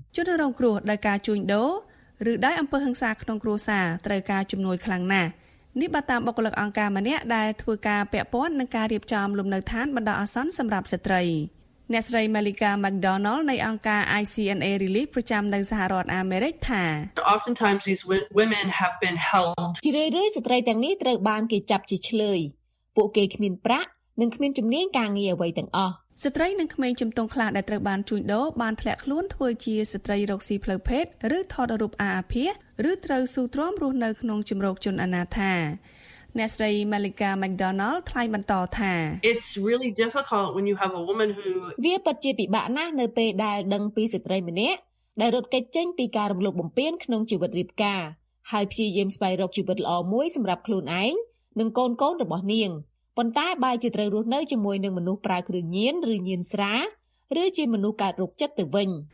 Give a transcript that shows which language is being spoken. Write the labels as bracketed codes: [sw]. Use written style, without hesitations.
[km] ជនរងគ្រោះដោយការជួញដូរឬដោយអំពើហិង្សាក្នុងគ្រួសារត្រូវការជំនួយខ្លាំងណាស់នេះបើតាមបុគ្គលិកអង្គការម្នាក់ដែលធ្វើការពាក់ព័ន្ធនឹងការរៀបចំលំនៅឋានបណ្ដោះអាសន្នសម្រាប់ស្ត្រីអ្នកស្រី Malika McDonald នៃអង្គការ ICNA Relief ប្រចាំនៅសហរដ្ឋអាមេរិកថា [en] Oftentimes these women have been held [km] ជារឿយៗស្ត្រីទាំងនេះត្រូវបានគេចាប់ជាឈ្លើយពួកគេគ្មានប្រាក់និងគ្មានជំនាញការងារអ្វីទាំងអស់ស្ត្រីនិងក្មេងជំទង់ខ្លះដែលត្រូវបានជួញដូរបានធ្លាក់ខ្លួនធ្វើជាស្ត្រីរកស៊ីផ្លូវភេទឬថតរូបអាហារឬត្រូវស៊ូទ្រាំរស់នៅក្នុងជំរកជនអនាថា អ្នកស្រី Malika McDonald ថ្លែងបន្តថា [en] It's really difficult when you have a woman who [km] វាពិតជាពិបាកណាស់នៅពេលដែលដឹងពីស្ត្រីម្នាក់ដែលរត់គេចចេញពីការរំលោភបំពានក្នុងជីវិតរៀបការហើយព្យាយាមស្វែងរកជីវិតល្អមួយសម្រាប់ខ្លួនឯងនិងកូនកូនរបស់នាងប៉ុន្តែបើជាត្រូវរស់នៅជាមួយនឹងមនុស្សប្រើគ្រឿងញៀនឬញៀនស្រាឬជាមនុស្សកើតរោគចិត្តទៅវិញ